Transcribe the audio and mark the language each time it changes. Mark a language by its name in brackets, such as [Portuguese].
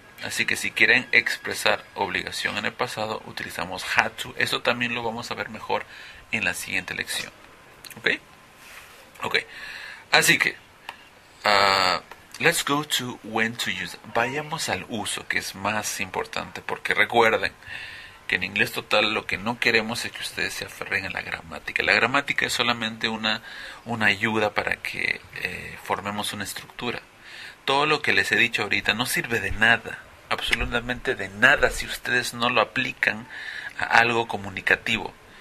[Spanish] Así que si quieren expresar obligación en el pasado, utilizamos had to. Eso también lo vamos a ver mejor en la siguiente lección. ¿Ok? Ok. Así que, [English] let's go to when to use. [Spanish] Vayamos al uso, que es más importante, porque recuerden que en inglés total lo que no queremos es que ustedes se aferren a la gramática. La gramática es solamente una ayuda para que formemos una estructura. Todo lo que les he dicho ahorita no sirve de nada, absolutamente de nada, si ustedes no lo aplican a algo comunicativo.